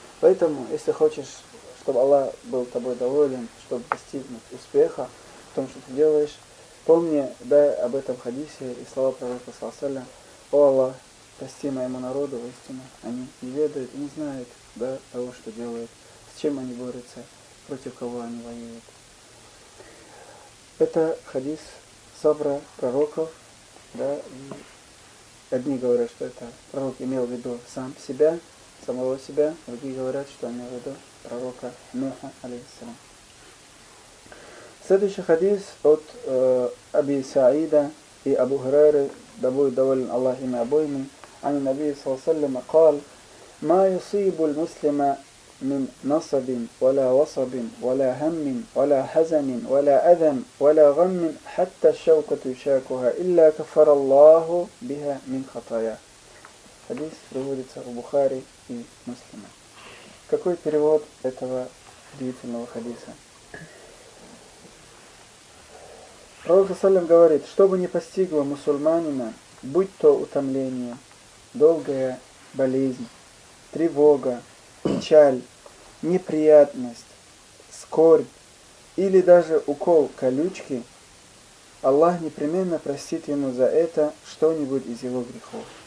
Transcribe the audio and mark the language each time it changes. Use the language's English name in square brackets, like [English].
[Russian] Поэтому, если хочешь, чтобы Аллах был тобой доволен, чтобы достигнуть успеха в том, что ты делаешь, помни, дай об этом хадисе и слова пророка Саллаллаху алейхи вассалям: «О Аллах, прости моему народу, воистину, они не ведают и не знают, да, того, что делают, с чем они борются, против кого они воюют». Это хадис сабра пророков, да, и одни говорят, что это пророк имел в виду сам себя, самого себя, другие говорят, что имел в виду пророка Нуха, алейхиссалям. Следующий хадис от Аби Саида и Абу Хурайры, да будет доволен Аллах ими обоими, [Arabic] ани Наби саллаллаху алейхи ва саллям, قال: ما يصيب المسلم من نصب ولا وصب ولا هم ولا حزن ولا أذى ولا غم حتى الشوكة يشاكها إلا كفر الله بها من خطايا. [Russian] Хадис приводится в Бухари и Муслима. Какой перевод этого удивительного хадиса? Пророк Саллим говорит, что бы ни постигло мусульманина, будь то утомление, долгая болезнь, тревога, печаль, неприятность, скорбь или даже укол колючки, Аллах непременно простит ему за это что-нибудь из его грехов.